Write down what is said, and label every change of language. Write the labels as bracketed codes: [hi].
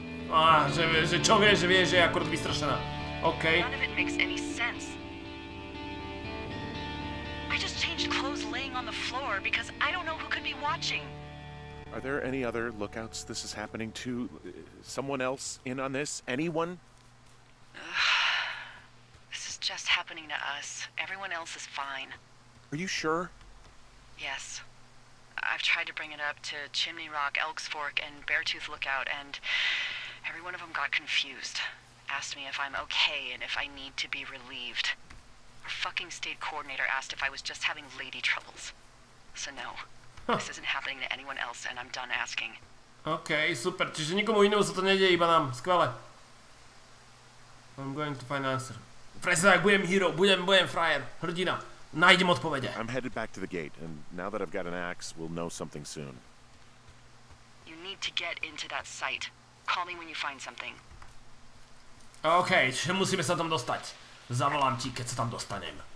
[sk] Že čo vieš, že vieš, že je akurát vystrašená. [en] OK. None of it makes any sense. I just changed clothes laying on the floor because I don't know who could be watching. Are there any other lookouts this is happening to? Someone else in on this? Anyone? This is just happening to us. Everyone else is fine. Are you sure? Yes. I've tried to bring it up to Chimney Rock, Elk's Fork, and Beartooth Lookout, and every one of them got confused. Asked me if I'm okay and if I need to be relieved. Our fucking state coordinator asked if I was just having lady troubles. So no. This isn't happening to anyone else, and I'm done asking. [sk] Okay, super. Čiže nikomu inému sa to nedeje, iba nám. Skvelé. [en] I'm going to find an answer. [sk] Presne tak, budem hero, budem frajer, hrdina. Nájdem odpovede. [en] I'm headed back to the gate, and now that I've got an axe, we'll know something soon. You need to get into that site. Call me when you find something. [sk] Okay, čiže musíme sa tam dostať. Zavolám ti, keď sa tam dostanem.